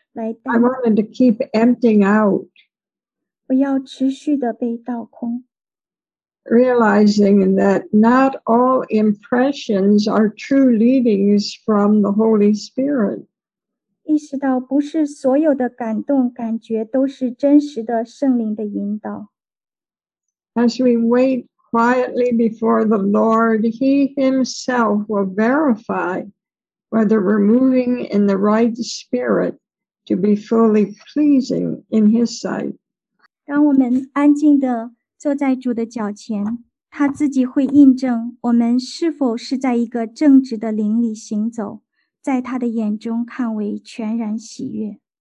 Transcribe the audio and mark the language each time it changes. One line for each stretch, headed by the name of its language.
English: I wanted to keep emptying out.
Chinese: 我要持续地被倒空。
English: Realizing that not all impressions are true leadings from the Holy Spirit.
Chinese: 意识到不是所有的感动感觉都是真实的圣灵的引导。
English: As we wait quietly before the Lord, He Himself will verify whether we're moving in the right spirit. To be fully pleasing in His sight.
Chinese: 当我们安静地坐在主的脚前，他自己会印证我们是否是在一个正直的灵里行走，在他的眼中看为全然喜悦。